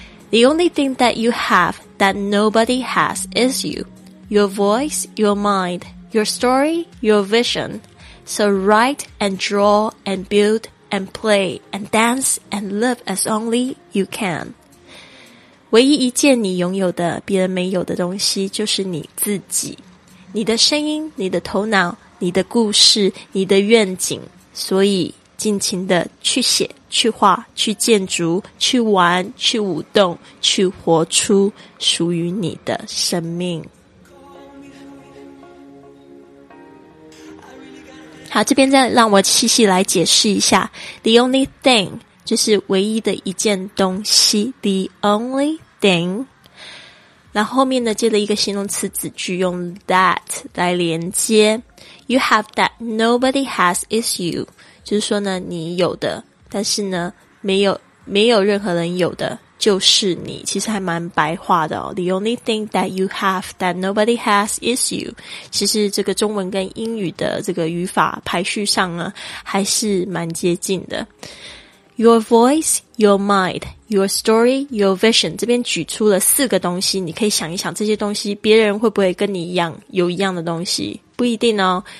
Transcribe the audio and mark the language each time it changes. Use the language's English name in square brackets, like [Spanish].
[English] The only thing that you have that nobody has is you, your voice, your mind, your story, your vision. So write and draw and buildand play, and dance, and live as only you can. [Chinese] 唯一一件你拥有的，别人没有的东西，就是你自己。你的声音，你的头脑，你的故事，你的愿景。所以，尽情的去写，去画，去建筑，去玩，去舞动，去活出属于你的生命。好，这边再让我细细来解释一下 [English] The only thing [Chinese] 就是唯一的一件东西 The only thing， 然后后面呢接了一个形容词子句，用 that 来连接。 [English] You have that nobody has is you， [Chinese] 就是说呢你有的，但是呢没有任何人有的就是你。其实还蛮白话的哦， [English] The only thing that you have that nobody has is you。 [Chinese] 其实这个中文跟英语的这个语法排序上呢还是蛮接近的。 [English] Your voice, your mind, your story, your vision， [Chinese] 这边举出了四个东西，你可以想一想这些东西别人会不会跟你一样有一样的东西，不一定哦。